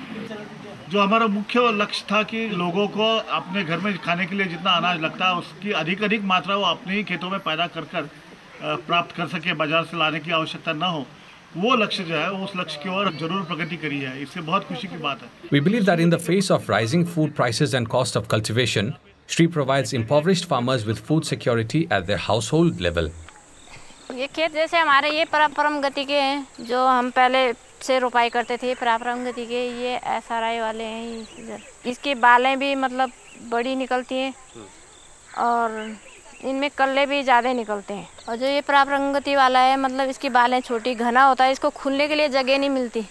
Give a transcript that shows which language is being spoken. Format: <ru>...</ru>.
<hi>जो हमारा मुख्य लक्ष्य था कि लोगों को अपने घर में खाने के लिए जितना अनाज लगता है उसकी अधिक अधिक मात्रा वो अपने ही खेतों में पैदा कर कर प्राप्त कर सके, बाजार से लाने की आवश्यकता न हो, वो लक्ष्य जो है उस लक्ष्य की ओर जरूर प्रगति करी है, इससे बहुत खुशी की बात है।</hi> <en>We believe that in the face of rising food prices and cost of cultivation, Shri provides impoverished farmers with food security at their household level.</en> <hi>ये खेत जैसे हमारे ये परम गति के हैं, जो हम पहले से रोपाई करते थे प्रारंभ गति के, ये ऐसा राय वाले हैं, इसके बाले भी मतलब बड़ी निकलती हैं और इनमें कल्ले भी ज़्यादा निकलते हैं, और जो ये प्रारंभ गति वाला है मतलब इसकी बाले छोटी घना होता है, इसको खुलने के लिए जगह नहीं मिलती।</hi>